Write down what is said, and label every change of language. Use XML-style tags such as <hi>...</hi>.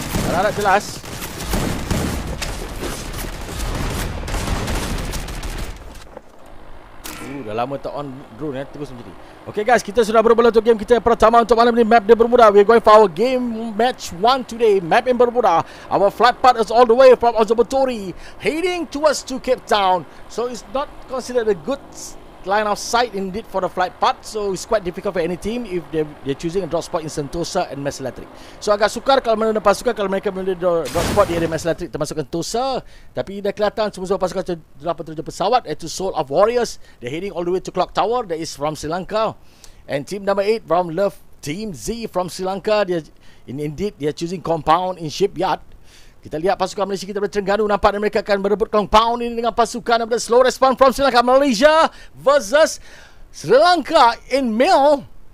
<ms>Harap-harap jelas. Dah lama tak on drone eh. Terus sendiri. Okay guys, kita sudah berbola untuk game kita yang pertama untuk malam ni, Map di Bermuda.</ms> <en>We're going for our game match 1 today, Map in Bermuda. Our flight part is all the way from Observatory, heading towards to Cape Town. So it's not considered a good line of sight indeed for the flight part. So it's quite difficult for any team if they're choosing a drop spot in Sentosa and Mass Electric.</en> <ms>So agak sukar kalau mana pasukan, kalau mereka memilih drop spot di area Mass Electric termasuk Sentosa. Tapi dah kelihatan semua pasukan telah penerja pesawat, iaitu Soul of Warriors.</ms> <en>They're heading all the way to Clock Tower, that is from Sri Lanka. And team number 8 from Love, Team Z from Sri Lanka, indeed they're choosing compound in shipyard.</en> <ms>Kita lihat pasukan Malaysia kita dari Terengganu. Nampaknya mereka akan berebut compound ini dengan pasukan daripada Slow Response from Sri Lanka.</ms> <en>Malaysia versus Sri Lanka in mail.</en>